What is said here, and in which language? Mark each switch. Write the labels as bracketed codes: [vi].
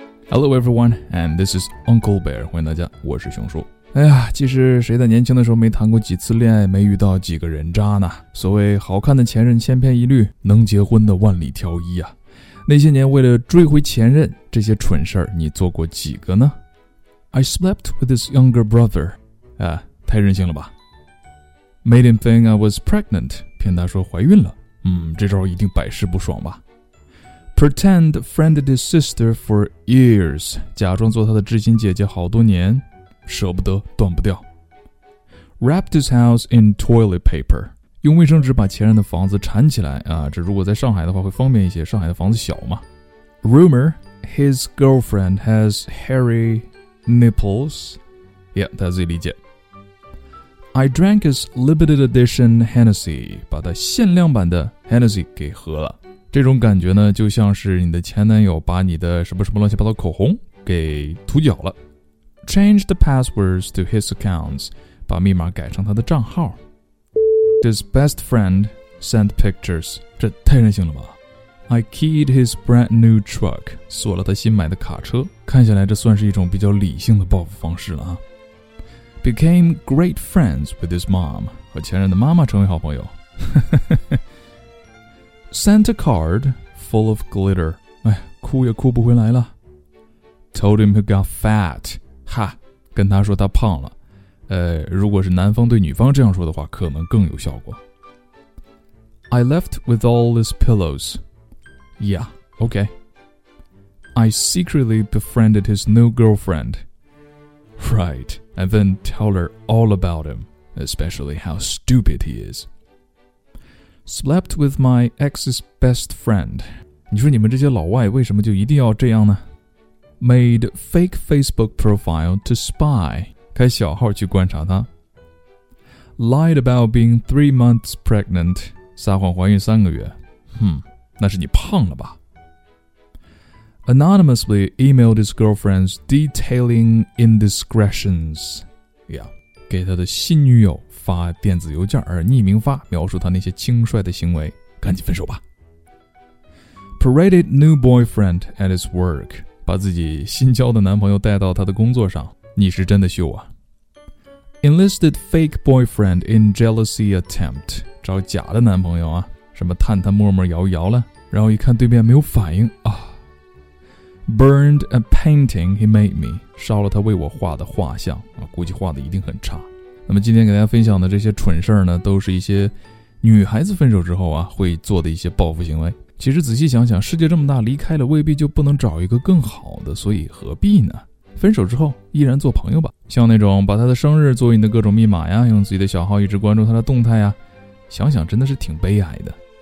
[en] Hello everyone, and this is Uncle Bear. [zh] 欢迎大家，我是熊叔。哎呀，其实谁在年轻的时候没谈过几次恋爱，没遇到几个人渣呢？所谓好看的前任千篇一律，能结婚的万里挑一啊。那些年为了追回前任，这些蠢事儿你做过几个呢？ [en] I slept with his younger brother. [zh] 啊，太任性了吧。 [en] Made him think I was pregnant. [zh] 骗他说怀孕了。这招一定百试不爽吧。 [en] Pretend friended his sister for years. [zh] 假装做他的知心姐姐好多年。舍不得断不掉。 [en] Wrapped his house in toilet paper. [zh] 用卫生纸把前任的房子缠起来。啊，这如果在上海的话会方便一些，上海的房子小嘛。 [en] Rumor, his girlfriend has hairy nipples. [zh] Yeah, 大家自己理解。 [en] I drank his limited edition Hennessy, [zh] 把他限量版的 Hennessy 给喝了。这种感觉呢，就像是你的前男友把你的什么什么乱七八糟口红给涂脚了。 [en] Change the passwords to his accounts, [zh] 把密码改成他的账号。 [en] His best friend sent pictures, [zh] 这太任性了吧。 [en] I keyed his brand new truck, [zh] 锁了他新买的卡车。看起来这算是一种比较理性的报复方式了啊。 [en] Became great friends with his mom, [zh] 和前任的妈妈成为好朋友。 [en] Sent a card full of glitter. [zh] 哎，哭也哭不回来了。 [en] Told him he got fat. [zh] 哈，跟他说他胖了。如果是男方对女方这样说的话，可能更有效果。 [en] I left with all his pillows. Yeah, okay. I secretly befriended his new girlfriend. Right, and then told her all about him, especially how stupid he is. Slept with my ex's best friend. [zh] 你说你们这些老外为什么就一定要这样呢？ [en] Made fake Facebook profile to spy. [zh] 开小号去观察他。 [en] Lied about being 3 months pregnant. [zh] 撒谎怀孕3个月。那是你胖了吧。 [en] Anonymously emailed his girlfriends detailing indiscretions. [zh] Yeah, 给他的新女友发电子邮件，而匿名发描述他那些轻率的行为，赶紧分手吧。 [en] Paraded new boyfriend at his work, [zh] 把自己新交的男朋友带到他的工作上，你是真的秀啊。 [en] Enlisted fake boyfriend in jealousy attempt, [zh] 找假的男朋友啊，什么探探摸摸摇摇了，然后一看对面没有反应啊。 [en] Burned a painting he made me, [zh] 烧了他为我画的画像啊，估计画的一定很差。那么今天给大家分享的这些蠢事呢，都是一些女孩子分手之后啊会做的一些报复行为。其实仔细想想，世界这么大，离开了未必就不能找一个更好的，所以何必呢？分手之后依然做朋友吧。像那种把他的生日作为你的各种密码呀，用自己的小号一直关注他的动态呀，想想真的是挺悲哀的。